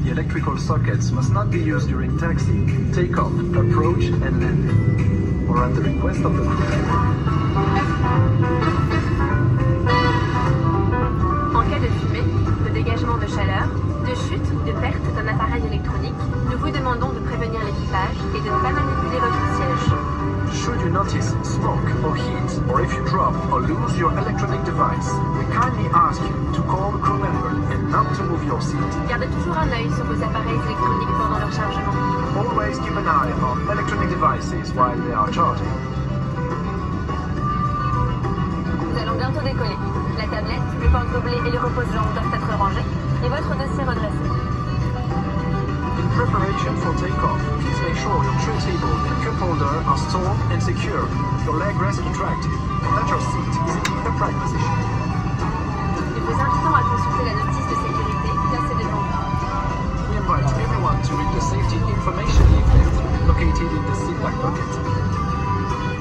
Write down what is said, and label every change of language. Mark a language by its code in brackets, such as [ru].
[en] The electrical sockets must not be used during taxi, take-off, approach and landing, or at the request of the crew. [fr] En cas de fumée, de dégagement de chaleur, de chute ou de perte d'un appareil électronique, nous vous demandons de prévenir l'équipage et de ne pas manipuler votre siège. [en] Should you notice smoke or heat, or if you drop or lose your electronic device, we kindly ask you to call the crew member and not to move your seat. [fr] Gardez toujours un œil sur vos appareils électroniques pendant leur chargement. [en] Always keep an eye on electronic devices while they are charging. [fr] Nous allons bientôt décoller. La tablette, le porte-gobelet et le repose-jambes doivent être rangés et votre dossier redressé. [en] In preparation for takeoff, please make sure your tray table and cup holder are stored and secure, your leg rest contracted, and that your seat is in the upright position. [fr] Nous vous invitons à consulter la notice de sécurité placée devant vous. [en] We invite everyone to read the safety information leaflet located in the seat back pocket.